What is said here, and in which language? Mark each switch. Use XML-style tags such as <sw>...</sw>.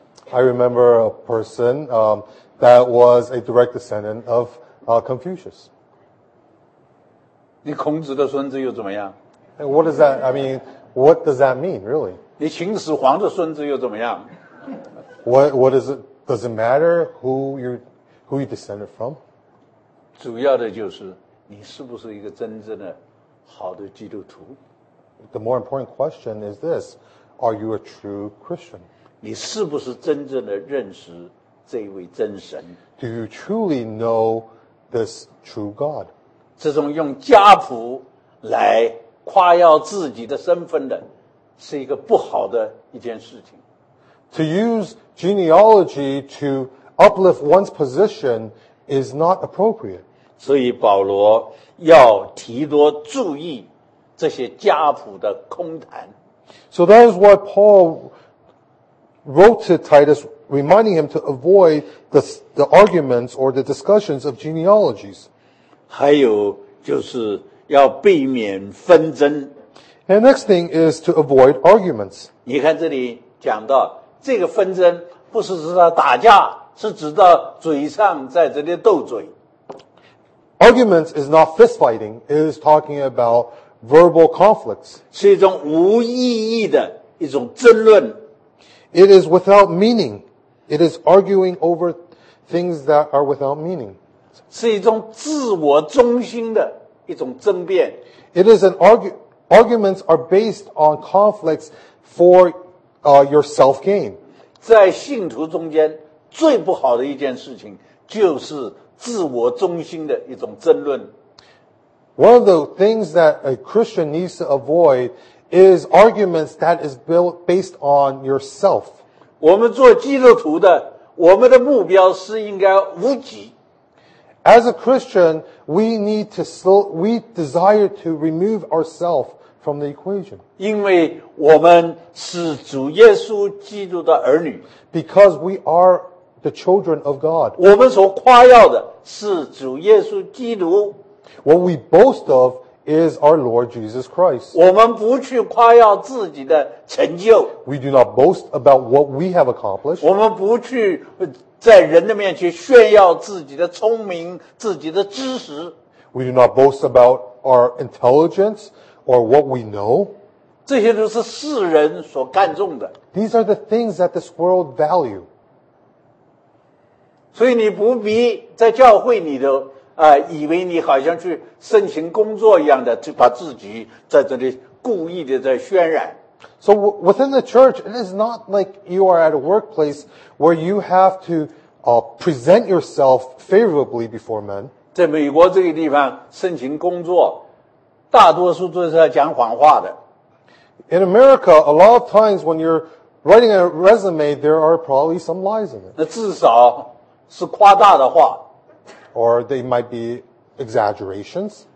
<en>I remember a person that was a direct descendant of Confucius.</en> <zh>你孔子的孙子又怎么样？</zh> <en>What is that? I mean, what does that mean, really?</en> <zh>你秦始皇的孙子又怎么样？</zh> <en>What is it? Does it matter who you descended from?</en> <zh>主要的就是你是不是一个真正的好的基督徒？</zh> <en>The more important question is this: Are you a true Christian?</en> <zh>你是不是真正的认识这位真神？</zh> <en>Do you truly know this true God?</en> <zh>这种用家谱来夸耀自己的身份的是一个不好的一件事情。</zh> <en>To use genealogy to uplift one's position is not appropriate.</en> <zh>所以保罗要提多注意这些家谱的空谈。</zh> <en>So that is what Paul wrote to Titus, reminding him to avoid the arguments or the discussions of genealogies.</en> <zh>还有就是要避免纷争。</zh> <en>And next thing is to avoid arguments.</en> <zh>你看这里讲到这个纷争不是指到打架，是指到嘴上在这里斗嘴。</zh> <en>Arguments is not fist fighting, it is talking about verbal conflicts.</en> <zh>是一种无意义的一种争论。</zh> <en>It is without meaning. It is arguing over things that are without meaning.</en> <zh>是一种自我中心的一种争辩。</zh> <en>It is an arguments are based on conflicts for your self gain.</en> <zh>在信徒中间最不好的一件事情就是自我中心的一种争论。</zh> <en>One of the things that a Christian needs to avoid is arguments that is built based on yourself.</en> <zh>我们做基督徒的，我们的目标是应该无己。</zh> <en>As a Christian, we desire to remove ourselves from the equation.</en> <zh>因为我们是主耶稣基督的儿女。</zh> <en>Because we are the children of God.</en> <zh>我们所夸耀的是主耶稣基督。</zh> <en>What we boast of is our Lord Jesus Christ.</en> <zh>我们不去夸耀自己的成就。</zh> <en>We do not boast about what we have accomplished.</en> <zh>我们不去在人的面前炫耀自己的聪明、自己的知识。</zh> <en>We do not boast about our intelligence or what we know.</en> <zh>这些都是世人所看重的。</zh> <en>These are the things that this world value.</en> <zh>所以你不必在教会里头以为你好像去申请工作一样的，就把自己在这里故意的在渲染。</zh> <en>So within the church, it is not like you are at a workplace where you have to present yourself favorably before men.</en> <zh>在美国这个地方申请工作，大多数都是在讲谎话的。</zh> <en>In America, a lot of times when you're writing a resume, there are probably some lies in it.</en> <zh>那至少是夸大的话。</zh> <en>Or they might be exaggerations.</en>